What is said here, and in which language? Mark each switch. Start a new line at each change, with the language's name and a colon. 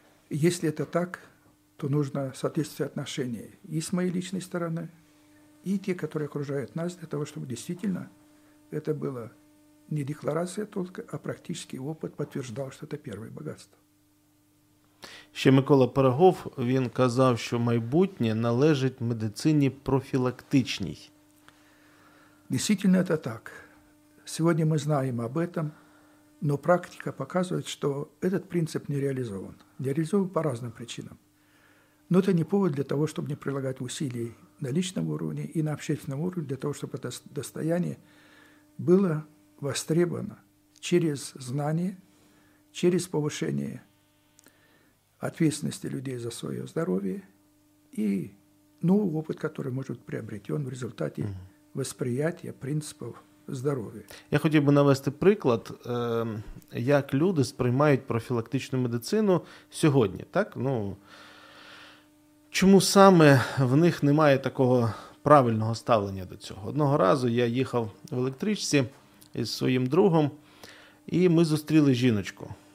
Russian: Если это так, то нужно соответствовать отношения и с моей личной стороны, и те, которые окружают нас, для того, чтобы действительно это было не декларация только, а практический опыт подтверждал, что это первое богатство.
Ukrainian: Ще Микола Пирогов, він казав, що майбутнє належить медицині профілактичній.
Russian: Действительно это так. Сегодня мы знаем об этом, но практика показывает, что этот принцип не реализован. Не реализован по разным причинам. Но это не повод для того, чтобы не прилагать усилий на личном уровне и на общественном уровне, для того, чтобы это достояние было востребовано через знание, через повышение ответственности людей за свое здоровье и новый опыт, который может быть приобретен в результате восприятия принципов здоров'я.
Ukrainian: Я хотів би навести приклад, як люди сприймають профілактичну медицину сьогодні. Так? Ну, чому саме в них немає такого правильного ставлення до цього? Одного разу я їхав в електричці із своїм другом, і ми зустріли жіночку.